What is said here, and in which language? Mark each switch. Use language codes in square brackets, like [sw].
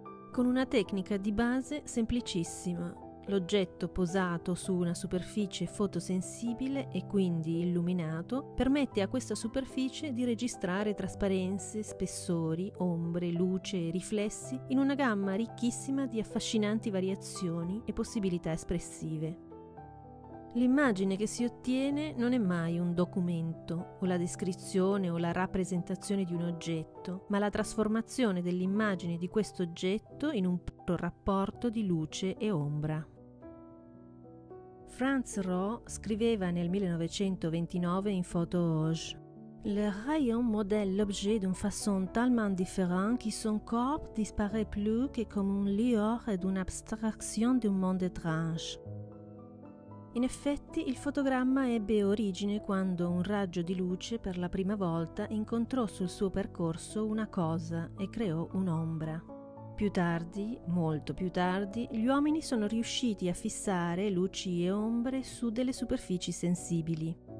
[it] Con una tecnica di base semplicissima, l'oggetto posato su una superficie fotosensibile e quindi illuminato permette a questa superficie di registrare trasparenze, spessori, ombre, luce e riflessi in una gamma ricchissima di affascinanti variazioni e possibilità espressive. L'immagine che si ottiene non è mai un documento, o la descrizione o la rappresentazione di un oggetto, ma la trasformazione dell'immagine di questo oggetto in un puro rapporto di luce e ombra. [fr] Franz Roh scriveva nel 1929 in Photo Auge: «Le rayon modèle l'objet d'une façon tellement différente que son corps disparaît plus que comme un lueur et une abstraction d'un monde étrange». [it] In effetti, il fotogramma ebbe origine quando un raggio di luce per la prima volta incontrò sul suo percorso una cosa e creò un'ombra. Più tardi, molto più tardi, gli uomini sono riusciti a fissare luci e ombre su delle superfici sensibili.